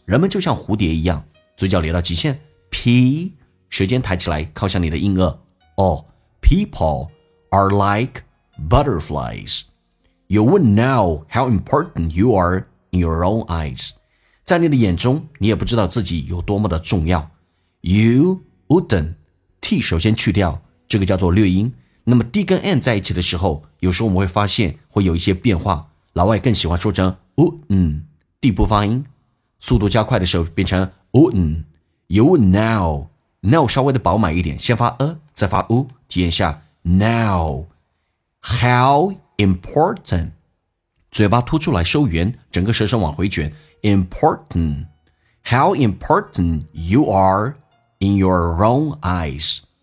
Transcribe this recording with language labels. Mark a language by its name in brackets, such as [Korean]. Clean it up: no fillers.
[Chinese] 人们就像蝴蝶一样，嘴角咧到极限。P 舌尖抬起来，靠向你的硬腭。 [English] Oh, people are like butterflies. You wouldn't know how important you are in your own eyes. [Chinese] 在你的眼中，你也不知道自己有多么的重要。 [English] You wouldn't [Chinese] T 首先去掉，这个叫做略音。那么 D 跟 N 在一起的时候，有时候我们会发现会有一些变化，老外更喜欢说成 wouldn't D 不发音，速度加快的时候变成 [English] wouldn't You wouldn't know Know [Chinese] 稍微的饱满一点，先发 A 再发 U 体验一下 Now How important 嘴巴凸出来收圆，整个舌身往回卷 [English] ImportantHow important you are in your own eyes.